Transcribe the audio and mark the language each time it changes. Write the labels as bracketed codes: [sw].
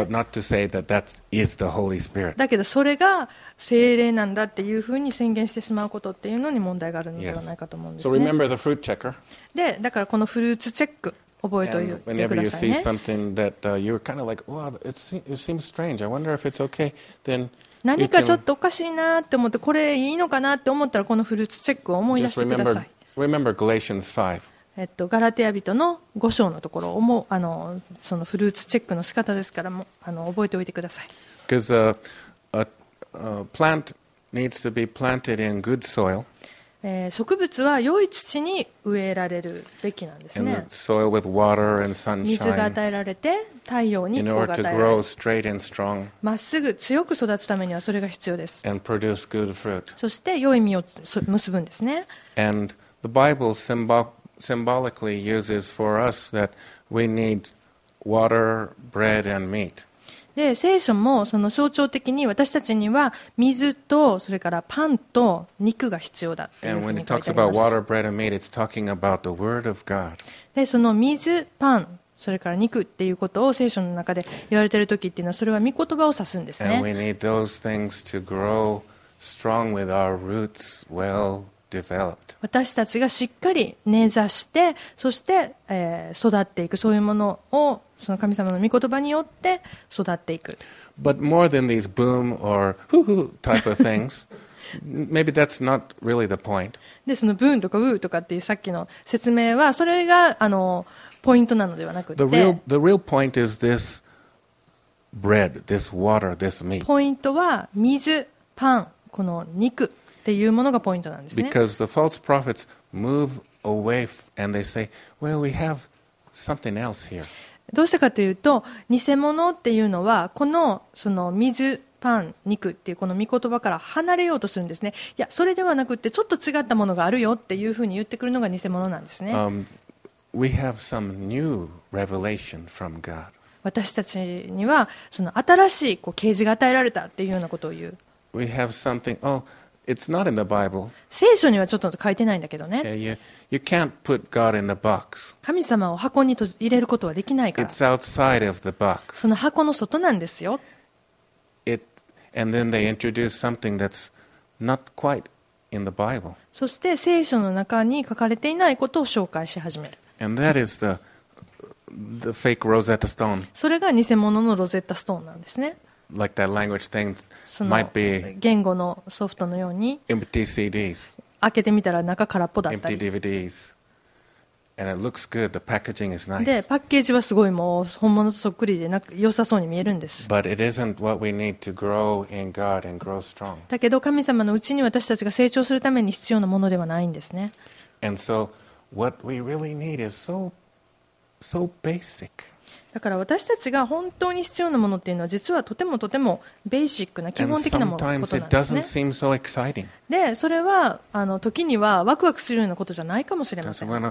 [en] But not to say that that is the Holy Spirit. [ja] だけどそれが聖霊なんだっていうふうに宣言してしまうことっていうのに問題があるのではないかと思うんですね。 [en] So remember the fruit checker. [ja] で、だからこのフルーツチェック。覚えておいてくださいね。 [en] Whenever you see something that you're kind of like, wow, it seems strange. I wonder if it's okay. Then [ja] 何かちょっとおかしいなって思って、これいいのかなって思ったら、このフルーツチェックを思い出してください。 [en] Remember Galatians 5. [ja] ガラテヤ人の5章のところを、そのフルーツチェックの仕方ですからも覚えておいてください。 [en] Because a plant needs to be planted in good soil. [ja] 植物は良い土に植えられるべきなんですね。 [en] soil with water and sunshine, [ja] 水が与えられて太陽に光が与えられ [en] grow straight and strong, [ja] まっすぐ強く育つためにはそれが必要です。 [en] and produce good fruit. [ja] そして良い実を結ぶんですね。 [en] and the Bible symbolically uses for us that we need water, bread and meat. [ja] で聖書もその象徴的に私たちには水とそれからパンと肉が必要だというふうに書いてあります。 [en] about water, bread, and meat, it's talking about the word of God. [ja] でその水、パン、それから肉っていうことを聖書の中で言われている時っていうのは、それは御言葉を指すんですね。 [en] And we need those things to grow strong with our roots well developed. [ja] 私たちがしっかり根ざして、そして、育っていく、そういうものをその神様の御言葉によって育っていく。 [en] But more than these boom or hoo-hoo type of things, maybe that's not really the point. [ja] で、そのブーンとかウーとかっていうさっきの説明は、それがポイントなのではなくて、 [en] the real point is this bread, this water, this meat. [ja] ポイントは水、パン、この肉っていうものがポイントなんですね。 [en] Because the false prophets move away and they say, well, we have something else here. [ja] どうしてかというと、偽物っていうのは、その水、パン、肉っていうこの御言葉から離れようとするんですね。いや、それではなくて、ちょっと違ったものがあるよっていうふうに言ってくるのが偽物なんですね。 [en] We have some new revelation from God. [ja] 私たちにはその新しい啓示が与えられたっていうようなことを言う。 [en] We have something. Oh, it's not in the Bible. [ja] 聖書にはちょっと書いてないんだけどね。 [en] You can't put God in the box. [ja] 神様を箱に入れることはできないから。 [en] It's outside of the box. [ja] その箱の外なんですよ。 [en] And then they introduce something that's not quite in the Bible. [ja] そして聖書の中に書かれていないことを紹介し始める。 [en] And that is the fake Rosetta Stone. [ja] それが偽物のロゼッタストーンなんですね。 [en] Like that language thing might be [ja] 言語のソフトのように。 [en] Empty CDs. [ja] 開けてみたら中空っぽだったり。 [en] Empty DVDs. And it looks good. The packaging is nice. [ja] で、パッケージはすごいもう本物とそっくりで良さそうに見えるんです。 [en] But it isn't what we need to grow in God and grow strong. [ja] だけど神様のうちに私たちが成長するために必要なものではないんですね。 [en] And so what we really need is so basic. [ja] だから私たちが本当に必要なものっていうのは、実はとてもとてもベーシックな基本的なことなんですね。で、それは時にはワクワクするようなことじゃないかもしれません。